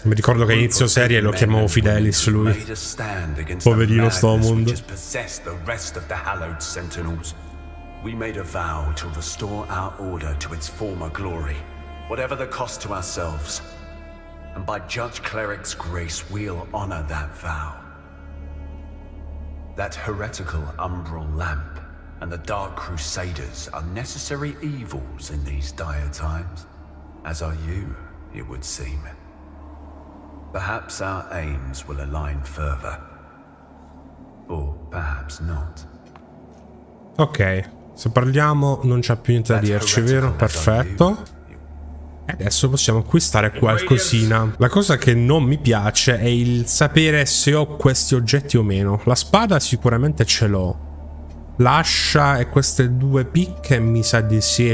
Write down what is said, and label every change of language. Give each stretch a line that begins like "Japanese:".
Italian: Mi ricordo che inizio serie lo chiamavo Fidelis lui. Poverino Stoneman.
English: We possessed the rest of the Hallowed Sentinels. We made a vow to restore our order to its former glory, whatever the cost to ourselves. And by Judge Cleric's grace, we'll honor that vow. That heretical Umbral Lamp and the Dark Crusaders are necessary evils in these dire times, as are you, it would seem. Perhaps our aims will align further, or perhaps not.
Italian: Ok, se parliamo non c'è più niente da dirci, vero? Perfetto. E adesso possiamo acquistare qualcosina. La cosa che non mi piace è il sapere se ho questi oggetti o meno. La spada sicuramente ce l'ho. L'ascia e queste due picche mi sa di sì.